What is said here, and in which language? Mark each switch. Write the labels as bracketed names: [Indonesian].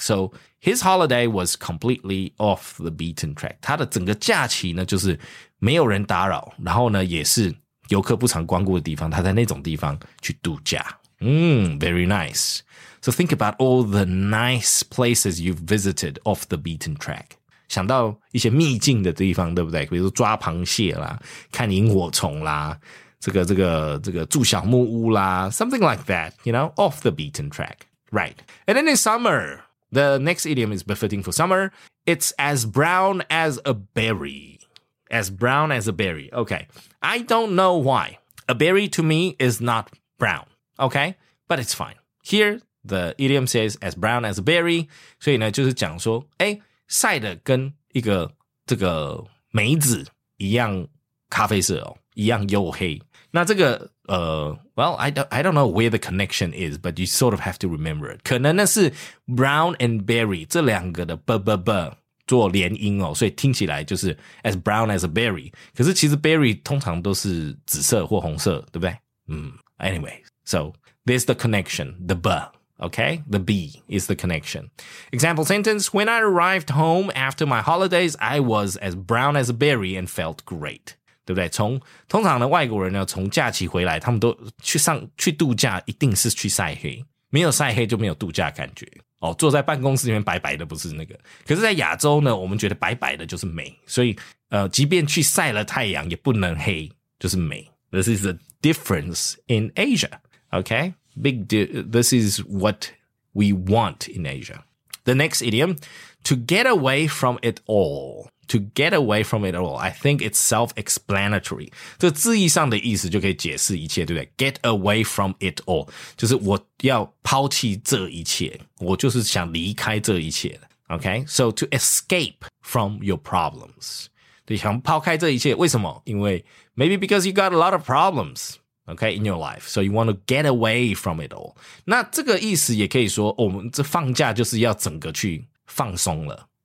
[English] So his holiday was completely off the beaten track. [Chinese] 他的整个假期呢就是没有人打扰然后呢也是游客不常光顾的地方他在那种地方去度假。 [English] Very nice. So think about all the nice places you've visited off the beaten track. [Chinese] 想到一些秘境的地方，对不对？比如说抓螃蟹啦，看萤火虫啦，这个住小木屋啦 ， [English] something like that. You know, off the beaten track, right? And then in summer, the next idiom is befitting for summer. It's as brown as a berry. as brown as a berry. Okay. I don't know why. A berry to me is not brown. Okay. But it's fine. Here, the idiom says as brown as a berry. [Chinese] 所以呢就是讲说诶晒的跟一个这个梅子一样咖啡色哦一样黝黑。那这个 [English] well, I don't know where the connection is, but you sort of have to remember it. [Chinese] 可能那是 [English] brown and berry, [Chinese] 这两个的 b-b-b 做连音哦所以听起来就是 [English] as brown as a berry. [Chinese] 可是其实 berry 通常都是紫色或红色对不对嗯 [English] anyway, so there's the connection, the b, okay? The b is the connection. Example sentence, when I arrived home after my holidays, I was as brown as a berry and felt great. [Chinese] 对不对从通常的外国人呢从假期回来他们都去度假一定是去晒黑。没有晒黑就没有度假感觉。哦坐在办公室里面白白的不是那个。可是在亚洲呢我们觉得白白的就是美。所以即便去晒了太阳也不能黑就是美。 [English] This is the difference in Asia. Okay? This is what we want in Asia. The next idiom, to get away from it all. To get away from it all, I think it's self-explanatory. [Chinese] 这字义上的意思就可以解释一切，对不对 ？ [English] Get away from it all, [Chinese] 就是我要抛弃这一切，我就是想离开这一切。 [English] Okay, so to escape from your problems, [Chinese] 对，想抛开这一切，为什么？因为 [English] maybe because you got a lot of problems, okay, in your life, so you want to get away from it all. [Chinese] 那这个意思也可以说，我们这放假就是要整个去放松了。